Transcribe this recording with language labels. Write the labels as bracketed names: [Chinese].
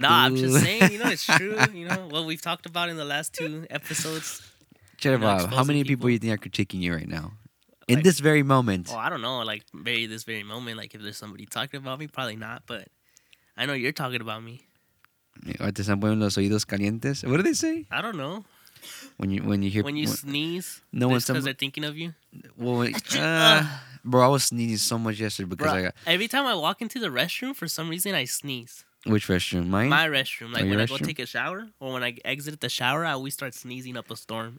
[English] Nah, I'm just saying, you know, it's true. You know, what we've talked about in the last two episodes. Jereva, you know, how many people you think are critiquing you right now? In, like, this very moment. Oh, I don't know. Like, maybe this very moment. Like, if there's somebody talking about me, probably not. But I know you're talking about me. [Spanish] ¿Te están poniendo los oídos calientes? [English] What do they say? I don't know. When you hear... When you sneeze, no, because they're thinking of you? Well, bro, I was sneezing so much yesterday because every time I walk into the restroom, for some reason, I sneeze. Which restroom? Mine? My restroom. Like, when restroom? I go take a shower or when I exit the shower, I always start sneezing up a storm.